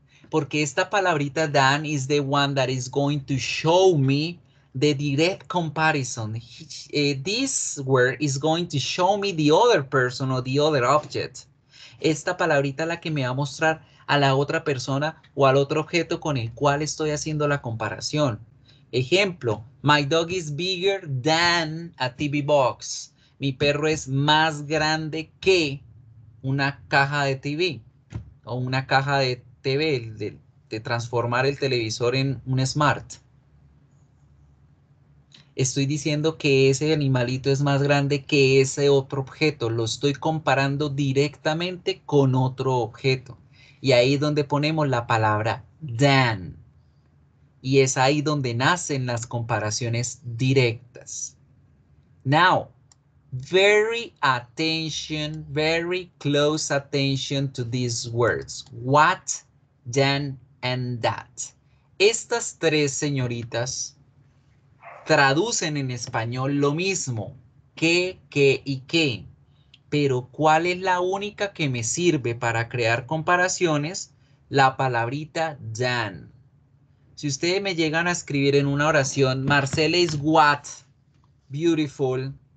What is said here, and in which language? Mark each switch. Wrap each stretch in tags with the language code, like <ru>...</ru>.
<es>Porque esta palabrita</es> <en>than is the one that is going to show me the direct comparison. This word is going to show me the other person or the other object.</en> <es>Esta palabrita es la que me va a mostrar a la otra persona o al otro objeto con el cual estoy haciendo la comparación. Ejemplo,</es> <en>my dog is bigger than a TV box.</en> <es>Mi perro es más grande que una caja de TV o una caja de TV, de transformar el televisor en un smart. Estoy diciendo que ese animalito es más grande que ese otro objeto. Lo estoy comparando directamente con otro objeto. Y ahí es donde ponemos la palabra than. Y es ahí donde nacen las comparaciones directas.</es> <en>Now, very attention, very close attention to these words. What, than, and that.</en> <es>Estas tres señoritas traducen en español lo mismo, qué y qué. Pero ¿cuál es la única que me sirve para crear comparaciones? La palabrita than. Si ustedes me llegan a escribir en una oración,</es> <en>Marcela is what beautiful.</en>